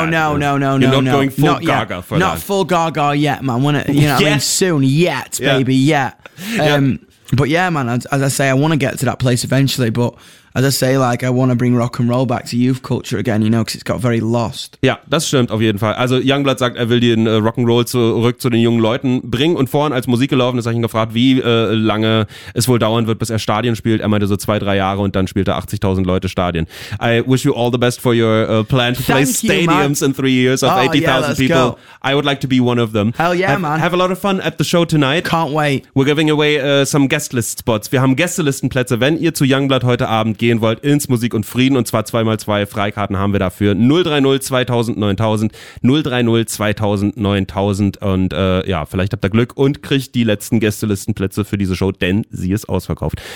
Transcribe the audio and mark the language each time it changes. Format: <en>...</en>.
<en>You're not going full Gaga for that. Not full Gaga yet, man. But yeah, man. As I say, I want to get to that place eventually, but. As I say, like, I want to bring rock and roll back to youth culture again, you know, because it's got very lost.</en> <de>Ja, das stimmt auf jeden Fall. Also Youngblood sagt, er will den Rock and Roll zurück zu den jungen Leuten bringen. Und vorhin, als Musik gelaufen ist, habe ich ihn gefragt, wie lange es wohl dauern wird, bis er Stadien spielt. Er meinte so 2-3 Jahre und dann spielt er 80.000 Leute Stadien.</de> <en>I wish you all the best for your plan to play stadiums in 3 years of 80,000 people. Go. I would like to be one of them. Hell yeah, man. Have a lot of fun at the show tonight. Can't wait. We're giving away some guest list spots.</en> <de>Wir haben Gästelistenplätze, wenn ihr zu Youngblood heute Abend gehen wollt, ins Musik und Frieden, und zwar 2x2 Freikarten haben wir dafür. 030-2000-9000 und vielleicht habt ihr Glück und kriegt die letzten Gästelistenplätze für diese Show, denn sie ist ausverkauft.</de>